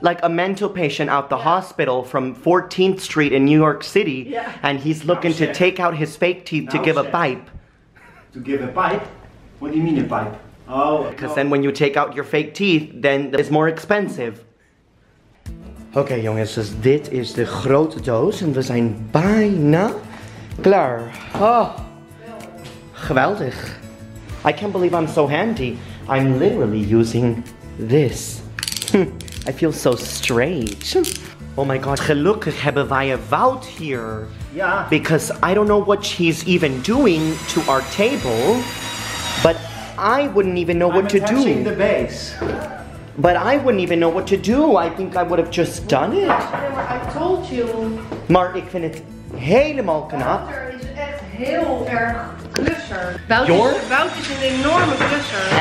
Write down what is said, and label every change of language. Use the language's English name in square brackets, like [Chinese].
[English] Like a mental patient out the hospital from 14th Street in New York City. Yeah. And he's looking to take out his fake teeth to give a pipe. To give a pipe? What do you mean a pipe? Oh. Because then when you take out your fake teeth, then it's more expensive. [Dutch] Okay, jongens, dus dit is de grote doos en we zijn bijna klaar. Oh, geweldig. [English] I can't believe I'm so handy. I'm literally using this. I feel so straight. Oh my god, [Dutch] gelukkig hebben wij een Wout hier. Ja. [English] Because I don't know what she's even doing to our table, but I wouldn't even know what to do. I'm attaching the base. But I wouldn't even know what to do. I think I would have just done it. I told you. [Dutch] Maar ik vind het helemaal knap. Wouter is echt heel erg klusser. Wouter is een enorme klusser.